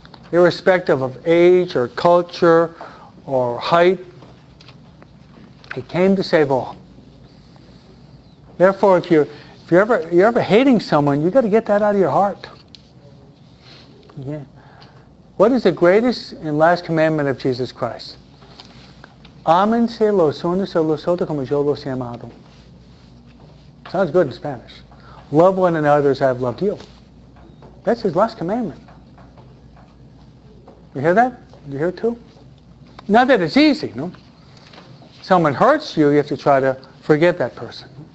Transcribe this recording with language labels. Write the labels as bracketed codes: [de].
[en] Irrespective of age or culture or height, he came to save all. Therefore, if you're ever hating someone, you've got to get that out of your heart. Yeah. What is the greatest and last commandment of Jesus Christ? [es] Ámense los unos a los otros como yo los he amado. [en] Sounds good in Spanish. Love one another as I have loved you. That's his last commandment. You hear that? You hear it too? Not that it's easy, no? Someone hurts you, you have to try to forget that person.